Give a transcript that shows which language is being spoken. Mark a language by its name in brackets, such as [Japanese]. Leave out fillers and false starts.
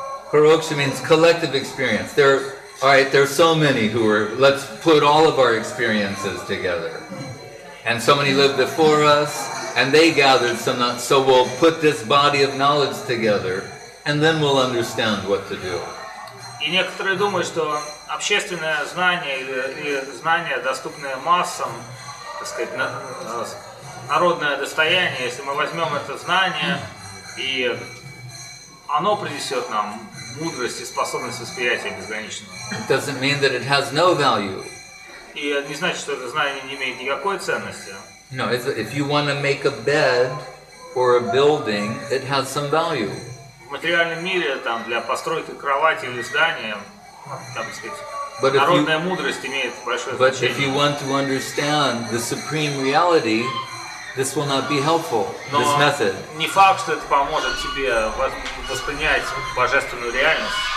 [English] Paroksha means collective experience. There, all right. There are so many who are. Let's put all of our experiences together. And so many lived before us, and they gathered some. So we'll put this body of knowledge together, and then we'll understand what to do. [Russian] И некоторые думают, что общественное знание или знание, доступное массам, так сказать, народное достояние, если мы возьмем это знание, и оно принесет нам мудрость и способность восприятия безграничного. [English] It doesn't mean that it has no value. [Russian] И не значит, что это знание не имеет никакой ценности. [English] No, if you want to make a bed or a building, it has some value. [Russian] В материальном мире там для постройки кровати или здания, там, так сказать, but народная мудрость имеет большое значение. [English] But if you want to understand the supreme reality, this will not be helpful. [Russian] Но [English] this method. [Russian] Не факт, что это поможет тебе воспринять божественную реальность.